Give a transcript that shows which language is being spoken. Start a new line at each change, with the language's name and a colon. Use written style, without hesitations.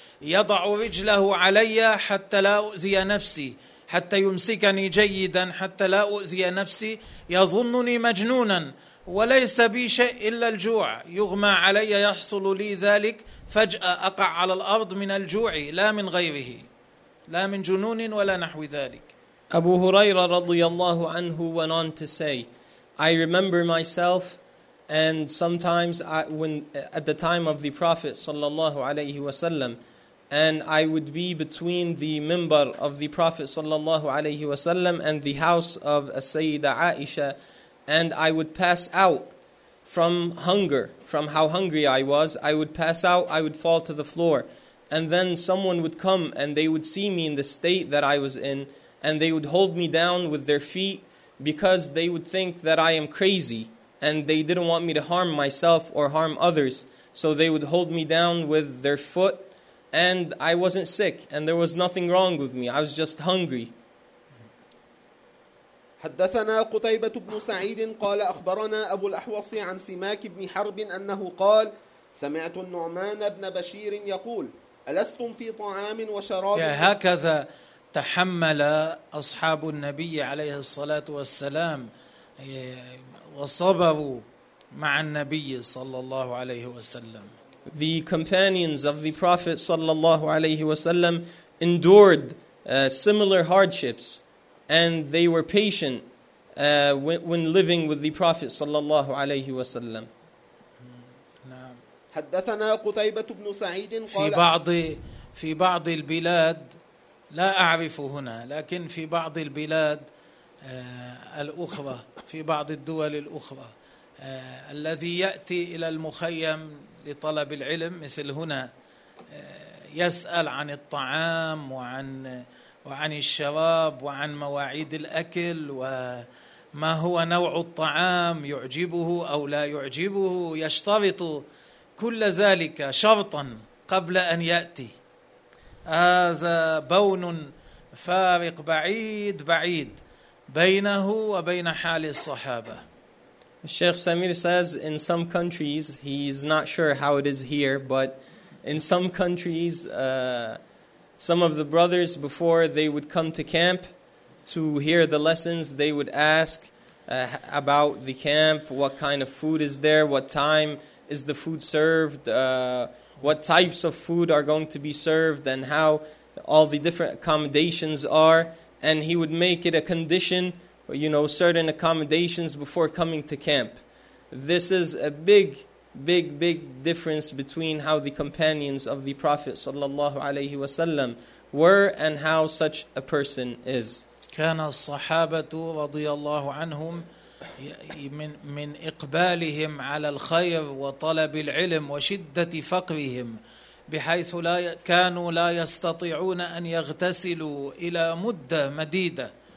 Arabic: يضع رجله علي حتى لا أؤذي نفسي، حتى يمسكني جيدا حتى لا أؤذي نفسي، يظنني مجنونا وليس بي شيء إلا الجوع، يغمى علي يحصل لي ذلك، فجأة أقع على الأرض من الجوع لا من غيره، لا من جنون ولا نحو ذلك.
English: أبو هريرة
Arabic: رضي الله عنه
English: went on to say, I remember myself and sometimes at the time of the Prophet
Arabic: sallallahu alayhi wasallam,
English: and I would be between the minbar of the Prophet sallallahu alayhi wasallam and the house of Sayyida Aisha, and I would pass out from hunger, from how hungry I was. I would pass out, I would fall to the floor, and then someone would come and they would see me in the state that I was in, and they would hold me down with their feet because they would think that I am crazy and they didn't want me to harm myself or harm others. So they would hold me down with their foot, and I wasn't sick and there was nothing wrong with me. I was just hungry.
Arabic: حدثنا قتيبة بن سعيد قال أخبرنا أبو الأحوص عن سماك بن حرب أنه قال سمعت النعمان بن بشير يقول ألستم في طعام وشراب؟ هكذا تحمل أصحاب النبي عليه الصلاة والسلام وصبروا مع النبي صلى الله عليه وسلم.
English: The companions of the Prophet
Arabic: صلى الله عليه وسلم
English: endured similar hardships, and they were patient when living with the Prophet صلى الله عليه وسلم.
Arabic: حدثنا قتيبة بن سعيد قال في بعض البلاد، لا أعرف هنا، لكن في بعض البلاد الأخرى، في بعض الدول الأخرى، الذي يأتي إلى المخيم لطلب العلم مثل هنا يسأل عن الطعام وعن الشراب وعن مواعيد الأكل وما هو نوع الطعام، يعجبه أو لا يعجبه، يشترط كل ذلك شرطا قبل أن يأتي. هذا بون فارق بعيد بعيد بينه وبين حال الصحابة.
English: Sheikh Samir says in some countries, he's not sure how it is here, but in some countries some of the brothers, before they would come to camp to hear the lessons, they would ask about the camp, what kind of food is there, what time is the food served, what types of food are going to be served, and how all the different accommodations are. And he would make it a condition, you know, certain accommodations before coming to camp. This is a big, big, big difference between how the companions of the Prophet
Arabic: sallallahu alayhi wa sallam
English: were and how such a person is.
Arabic: كان الصحابة رضي الله عنهم من إقبالهم على الخير وطلب العلم وشدة فقرهم، بحيث لا كانوا لا يستطيعون أن يغتسلوا إلى مدة مديدة،